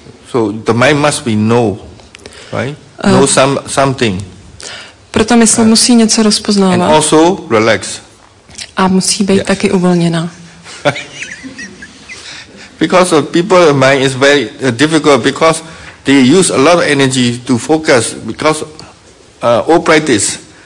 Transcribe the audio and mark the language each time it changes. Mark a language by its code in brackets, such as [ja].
[en] So the mind must be know, right? Know something. [cs] Proto mysl musí něco rozpoznávat. [en] And also relax. [cs] A musí být taky uvolněná. [en] Because of people, the mind is very difficult because they use a lot of energy to focus because all practice.